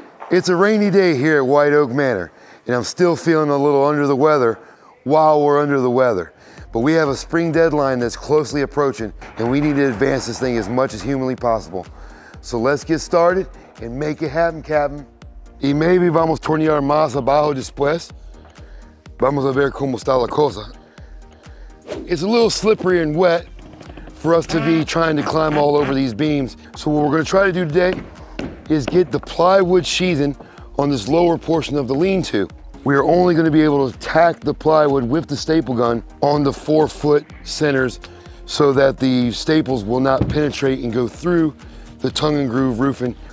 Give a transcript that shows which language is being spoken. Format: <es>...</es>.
<en>It's a rainy day here at White Oak Manor, and I'm still feeling a little under the weather while we're under the weather. But we have a spring deadline that's closely approaching, and we need to advance this thing as much as humanly possible. So let's get started and make it happen, Captain.</en> <es>Y</es> <en>maybe</en> <es>vamos a tornear más abajo después. Vamos a ver cómo está la cosa.</es> <en>It's a little slippery and wet for us to be trying to climb all over these beams. So what we're gonna try to do today is get the plywood sheathing on this lower portion of the lean-to. We are only gonna be able to tack the plywood with the staple gun on the 4-foot centers so that the staples will not penetrate and go through the tongue and groove roofing.</en>